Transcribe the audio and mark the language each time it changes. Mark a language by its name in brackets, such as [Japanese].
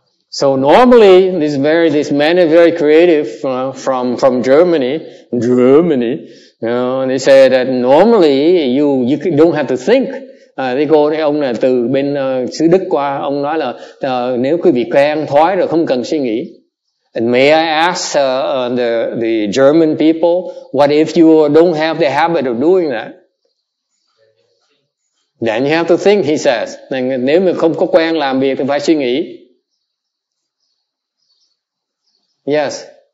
[English] So normally, this man is very creative from Germany. You know, they say that normally you don't have to think. [Vietnamese] Thì cô thấy ông là từ bên xứ Đức qua, ông nói là nếu quý vị quen thói rồi không cần suy nghĩ. [English] And may I ask the German people, what if you don't have the habit of doing that? Then you have to think, he says. [Vietnamese] Nếu mà không có quen làm việc thì phải suy nghĩ. [English] Yes.